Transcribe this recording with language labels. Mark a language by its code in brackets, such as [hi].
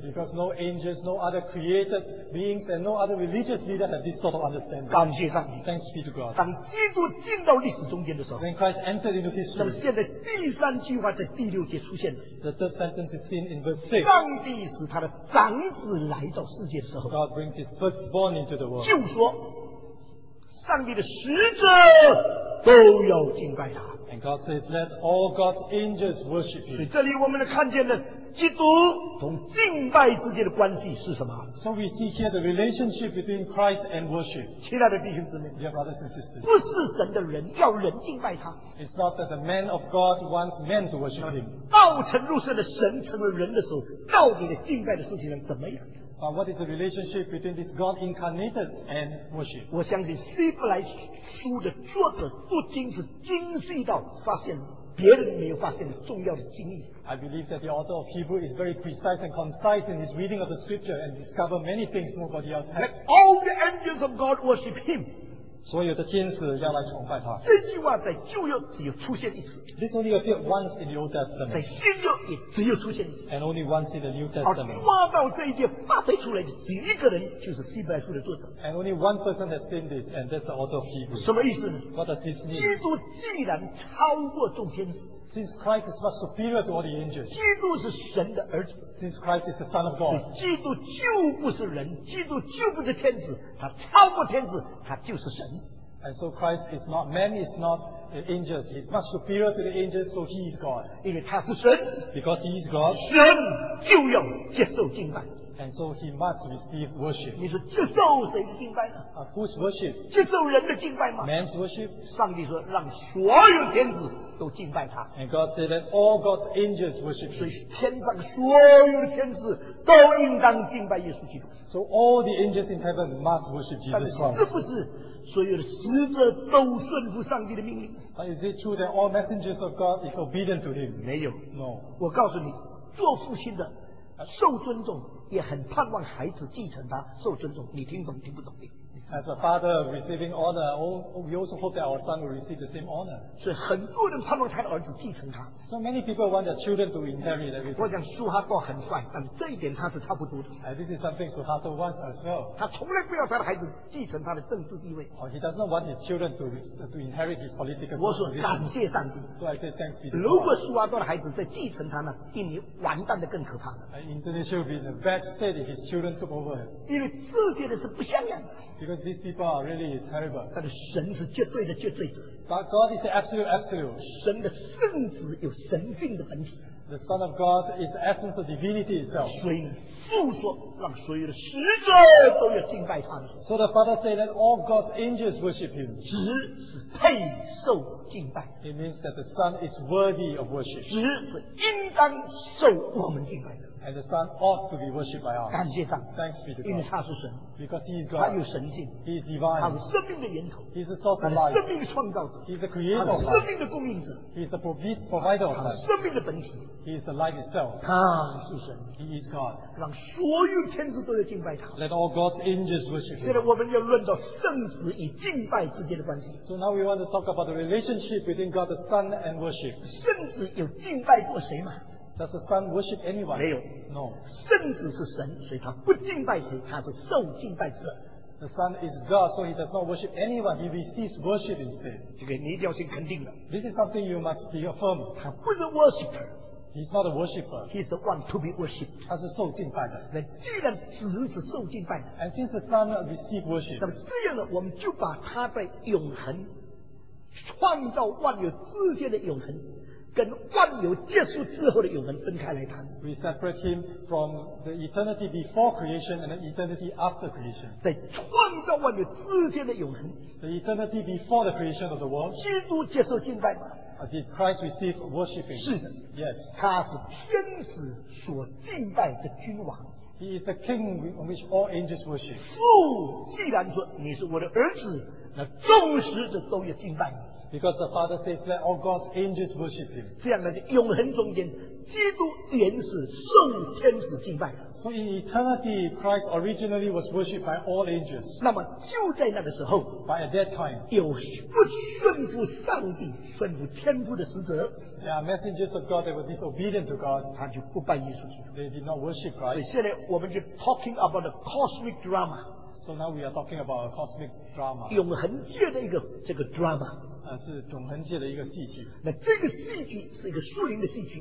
[en] Because no angels, no other created beings, and no other religious leader have this sort of understanding. [zh] 感谢上帝。 [en] Thanks be to God. [zh] 当基督进到历史中间的时候 [en] ，When Christ entered into history. [zh] 那么现在第三句话在第六节出现了。 [en] The third sentence is seen in verse 6. [zh] 上帝使他的长子来到世界的时候 [en] ，God brings his firstborn into the world. [zh] 就说，上帝的使者都要敬拜他。 [en] And God says, let all God's angels worship you. [zh] 所以这里我们看见了基督同敬拜之间的关系是什么。 [en] So we see here the relationship between Christ and worship. [zh] 亲爱的弟兄姊妹 [en] Dear brothers and sisters. [zh] 不是神的人要人敬拜他。 [en] It's not that the man of God wants men to worship him. [zh] 道成肉身的神成为人的时候到底的敬拜的事情怎么样。 [en] But what is the relationship between this God incarnated and worship? [zh] 我相信希伯来书的作者不仅是精细到发现别人没有发现的重要的精义。 [en] I believe that the author of Hebrew is very precise and concise in his reading of the scripture and discover many things nobody else has. Let all the angels of God worship him. [zh] 所有的天使要来崇拜他。这句话在旧约只有出现一次。 [en] This only appeared once in the Old Testament. [zh] 在新约也只有出现一次。 [en] And only once in the New Testament. [zh] 而抓到这一节发挥出来的只一个人，就是希伯来书的作者。 [en] And only one person has seen this, and that's the author of Hebrew. [zh] 什么意思呢 [en] ？What does this mean? [zh] 基督既然超过众天使。 [en] Since Christ is much superior to all the angels. [zh] 基督是神的儿子。 [en] Since Christ is the Son of God. [zh] 基督就不是人，基督就不是天使，他超过天使，他就是神。 [en] And so Christ is not man, is not angels. He's much superior to the angels, so he is God. [zh] 因为他是神。 [en] Because he is God. [zh] 神就要接受敬拜。 [en] And so he must receive worship. [zh] 你说接受谁的敬拜呢？ [en] Who's worship? [zh] 接受人的敬拜吗？ [en] Man's worship. [zh] 上帝说让所有天使都敬拜他。 [en] And God said that all God's angels worship him. [zh] 所以天上所有的天使都应当敬拜耶稣基督。 [en] So all the angels in heaven must worship Jesus Christ. [zh] 但是是不是所有的使者都顺服上帝的命令？ [en] But is it true that all messengers of God is obedient to him? [zh] 没有。 [en] No. [zh] 我告诉你，做父亲的受尊重。也很盼望孩子继承他受尊重你听懂听不懂 [en] As a father receiving honor we also hope that our son will receive the same honor [zh] 所以很多人盼望他的儿子继承他 [en] So many people want their children to inherit everything [zh] 我想苏哈多很帅但是这一点他是差不多的 [en] This is something Suharto wants as well [zh] 他从来不要他的孩子继承他的政治地位 [en] He does not want his children to inherit his political position [zh] 我说感谢上帝 [en] So I say thanks be to God [zh] 如果苏哈多的孩子在继承他呢比你完蛋的更可怕 [en] Indonesia will be bad state his children took over. [zh] 因为这些人是不像样的。 [en] Because these people are really terrible. [zh] 但是神是绝对的绝对者。 [en] But God is the absolute absolute. [zh] 神的圣子有神性的本体。 [en] The Son of God is the essence of divinity itself. [zh] 所以父说让所有的使者都要敬拜他。 [en] So the Father said that all God's angels worship him. [zh] 子是配受敬拜。 [en] It means that the Son is worthy of worship. [zh] 子是应当受我们敬拜的。 [en] And the Son ought to be worshipped by us. [zh] 感谢上帝。 [en] Thanks be to God. [zh] 因为他是神。 [en] Because he is God. [zh] 他有神性。 [en] He is divine. [zh] 他是生命的源头。 [en] He is the source of life. [zh] 他是生命的创造者。 [en] He is the creator. [zh] 他是生命的供应者。 [en] He is the provider of life. [zh] 他是生命的本体。 [en] He is the life itself. [zh] 他是神。 [en] He is God. [zh] 让所有天使都要敬拜他。 [en] Let all God's angels worship him. [zh] 现在我们要论到圣子与敬拜之间的关系。 [en] So now we want to talk about the relationship between God the Son and worship. [zh] 圣子有敬拜过谁吗？ [en] Does the Son worship anyone? [zh] 没有 [en] No. [zh] 圣子是神，所以他不敬拜谁，他是受敬拜者。 [en] The Son is God, so he does not worship anyone. He receives worship instead. [zh] 这个你一定要先肯定的。 [en] This is something you must be affirmed. [zh] 他不是 worshiper. [en] He's not a worshipper. He's the one to be worshipped. [zh] 他是受敬拜的。既然子是受敬拜的, [en] And since the Son received worship, [zh] 那么这样呢,我们就把他的永恒, 创造万有之间的永恒, 跟万有结束之后的永恒分开来谈。 [en] We separate him from the eternity before creation and the eternity after creation. [zh] 在创造万有之间的永恒, [en] The eternity before the creation of the world, [zh] 基督接受敬拜吗? [en] Did Christ receive worshiping? [zh] 是的, [en] yes. [zh] 他是天使所敬拜的君王。 [en] He is the king on which all angels worship. [zh] 父既然说你是我的儿子, 那众使者都要敬拜你。 [en] Because the Father says, let all God's angels worship him. [zh] 这样的永恒中间, 基督原始受天使敬拜。 [en] So in eternity, Christ originally was worshipped by all angels. [zh] 那么就在那个时候, [en] by at that time, [zh] 有不顺服上帝, 顺服天父的使者, [en] there are messengers of God that were disobedient to God. They did not worship Christ. [zh] 所以现在我们就 [en] talking about the cosmic drama. So now we are talking about a cosmic drama. [zh] 永恒界的一个这个 drama. 是永恒界的一个戏剧。那这个戏剧是一个属灵的戏剧。